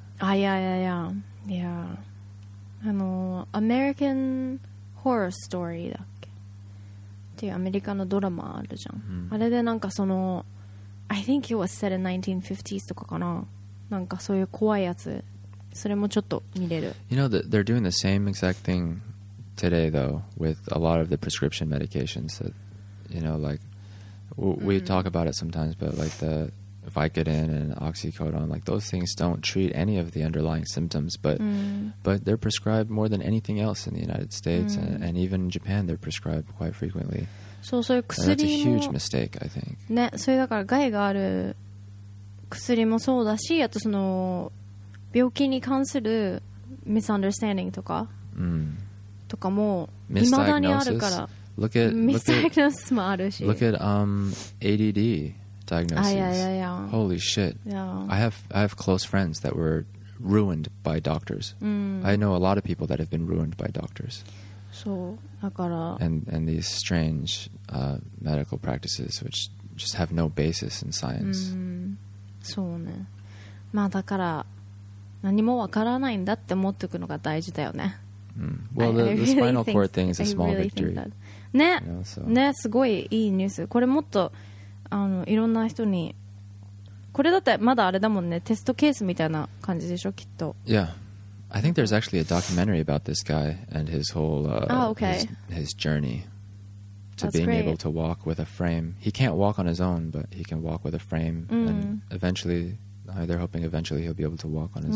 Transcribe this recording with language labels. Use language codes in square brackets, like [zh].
[en] Ah, yeah, yeah, yeah. Yeah. [ja] American Horror Story, だっけ? っていうアメリカのドラマあるじゃん。あれでなんかその、 [en] I think it was set in 1950s [ja] とかかな。なんかそういう怖いやつ。それもちょっと見れる。 [en] You know, they're doing the same exact thing today, though, with a lot of the prescription medications that, you know, like, we talk about it sometimes, but like the... Vicodin and oxycodone, like those things don't treat any of the underlying symptoms, but they're prescribed more than anything else in the United States, and even in Japan, they're prescribed quite frequently. So, so, so that's a huge mistake, I think. [ja] ね、それだから害がある薬もそうだし、あとその病気に関する misunderstanding とか、とかも未だにあるから。 [en] Misdiagnosis [ja] もあるし。 [en] Look at ADD. Diagnosis. Ah, yeah, yeah, yeah. Holy shit. Yeah. I have close friends that were ruined by doctors. I know a lot of people that have been ruined by doctors. [ja] So, だから [en] And these strange medical practices which just have no basis in science. [ja] そうね。まあだから何もわからないんだって思っておくのが大事だよね。 [en] Well, the spinal cord thing is a small victory. [ja] ね、ね、すごいいいニュース。これもっといろんな人にこれだってまだあれだもんねテストケースみたいな感じでしょきっと [en] Yeah I think there's actually a documentary about this guy and his whole his journey to、 That's、 being、 great. able to walk with a frame he can't walk on his own but he can walk with a frame、and eventually they're hoping eventually he'll be able to walk on his